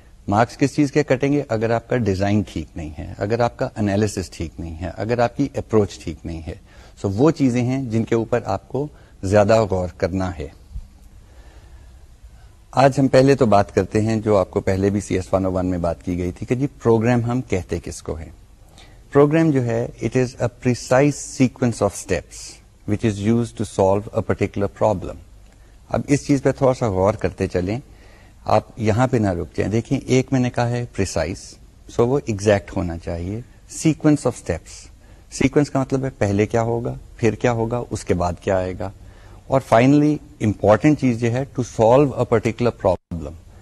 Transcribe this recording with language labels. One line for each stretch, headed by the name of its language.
Urdu: Marks کس چیز کے کٹیں گے, اگر آپ کا ڈیزائن ٹھیک نہیں ہے, اگر آپ کا انالیسس ٹھیک نہیں ہے, اگر آپ کی اپروچ ٹھیک نہیں ہے. سو وہ چیزیں ہیں جن کے اوپر آپ کو زیادہ غور کرنا ہے. آج ہم پہلے تو بات کرتے ہیں جو آپ کو پہلے بھی CS101 میں بات کی گئی تھی کہ جی پروگرام ہم کہتے کس کو ہیں.
English: program
Urdu: جو ہے
English: It is a precise sequence of steps which is use to solve a particular problem.
Urdu: اب اس چیز پہ تھوڑا سا غور کرتے چلیں, آپ یہاں پہ نہ رک جائیں. دیکھیں ایک میں نے کہا ہے پریسائز, سو وہ ایگزیکٹ ہونا چاہیے. سیکوینس آف اسٹیپس, سیکوینس کا مطلب ہے پہلے کیا ہوگا, پھر کیا ہوگا, اس کے بعد کیا آئے گا, اور فائنلی امپورٹنٹ چیز یہ ہے
English: To solve a particular problem.